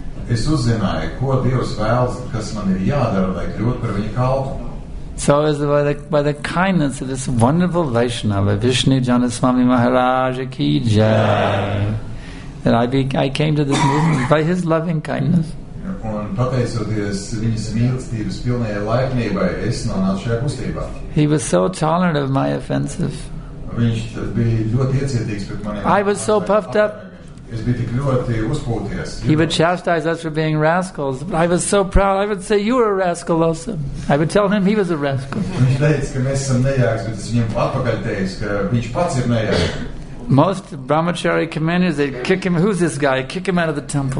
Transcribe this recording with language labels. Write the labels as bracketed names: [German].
[Latvian] Es uzzināju, ko Dievs vēlas, kas man ir jādara, lai kļūtu par viņa kalpu. [English] So is by the kindness of this wonderful Vaishnava, Vishnujana Swami Maharaj ki jai, that I came to this movement by his loving kindness. [Latvian] Un pateicoties viņas mīlestības pilnajai laipnībai, es nonācu šajā kustībā. [English] He was so tolerant of my offenses. [Latvian] Viņš bija ļoti iecietīgs pret mani. [English] I was so puffed up. [Latvian] Es biju tik ļoti uzpūties. [English] He would chastise us for being rascals. But I was so proud. I would say, you were a rascal also. I would tell him he was a rascal. [Latvian] Viņš teica, ka mēs esam nejāks, bet es viņam atpakaļ teicu, ka viņš pats ir nejāks. [English] Most brahmachari commanders, they'd kick him. Who's this guy? Kick him out of the temple.